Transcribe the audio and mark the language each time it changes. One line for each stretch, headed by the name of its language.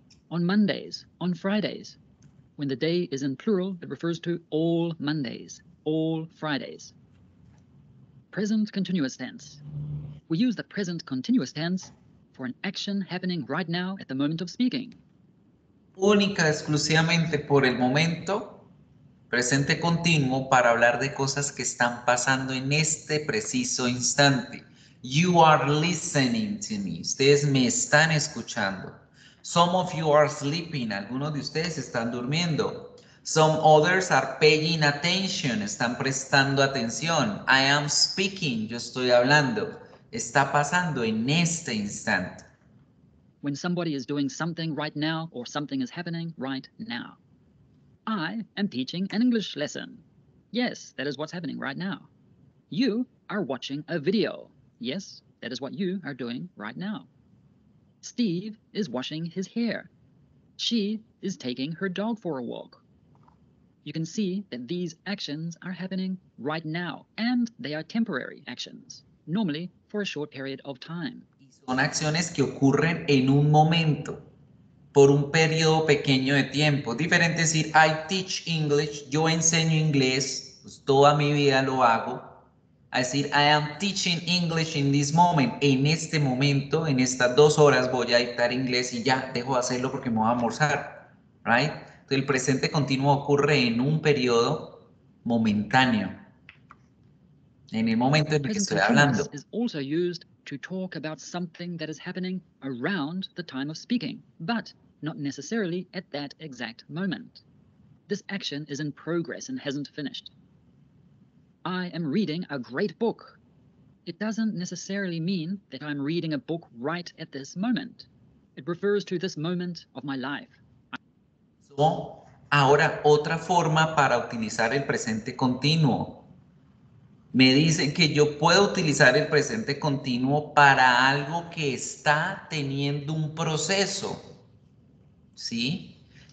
English: On Mondays, on Fridays. When the day is in plural, it refers to all Mondays, all Fridays. Present continuous tense. We use the present continuous tense for an action happening right now at the moment of speaking.
Spanish: Única, exclusivamente por el momento, presente continuo para hablar de cosas que están pasando en este preciso instante.
English: You are listening to me.
Spanish: Ustedes me están escuchando.
English: Some of you are sleeping.
Spanish: Algunos de ustedes están durmiendo.
English: Some others are paying attention.
Spanish: Están prestando atención.
English: I am speaking.
Spanish: Yo estoy hablando. Está pasando en este instante.
English: When somebody is doing something right now or something is happening right now. I am teaching an English lesson. Yes, that is what's happening right now. You are watching a video. Yes, that is what you are doing right now. Steve is washing his hair. She is taking her dog for a walk. You can see that these actions are happening right now and they are temporary actions, normally for a short period of time.
Spanish: Son acciones que ocurren en un momento, por un periodo pequeño de tiempo. Diferente decir,
English: I teach English,
Spanish: yo enseño inglés, pues toda mi vida lo hago. Es decir,
English: I am teaching English in this moment.
Spanish: En este momento, en estas dos horas, voy a dictar inglés y ya, dejo de hacerlo porque me voy a almorzar.
English: Right?
Spanish: Entonces, el presente continuo ocurre en un periodo momentáneo. En el momento en el que estoy hablando.
English: Is also used to talk about something that is happening around the time of speaking, but not necessarily at that exact moment. This action is in progress and hasn't finished. I am reading a great book. It doesn't necessarily mean that I'm reading a book right at this moment. It refers to this moment of my life.
Spanish: So, ahora, otra forma para utilizar el presente continuo. Me dicen que yo puedo utilizar el presente continuo para algo que está teniendo un proceso. ¿Sí?